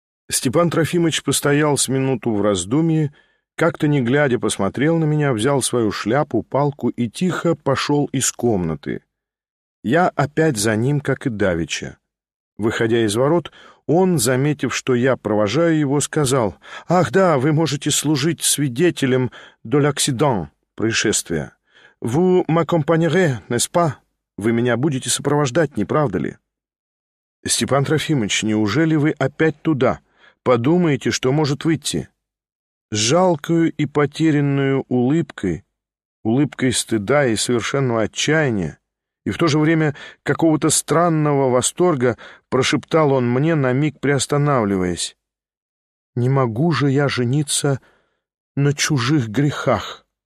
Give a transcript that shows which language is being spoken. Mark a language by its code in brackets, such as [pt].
[ru] Степан Трофимович постоял с минуту в раздумье, как-то не глядя посмотрел на меня, взял свою шляпу, палку и тихо пошел из комнаты. Я опять за ним, как и давеча. Выходя из ворот, он, заметив, что я провожаю его, сказал: «Ах да, вы можете служить свидетелем [fr] de l'accident, [ru] происшествия. [fr] Vous m'accompagnerez, n'est-ce pas? [ru] Вы меня будете сопровождать, не правда ли?» «Степан Трофимович, неужели вы опять туда? Подумайте, что может выйти?» С жалкою и потерянную улыбкой, улыбкой стыда и совершенного отчаяния, и в то же время какого-то странного восторга, прошептал он мне, на миг приостанавливаясь: «Не могу же я жениться на чужих грехах!»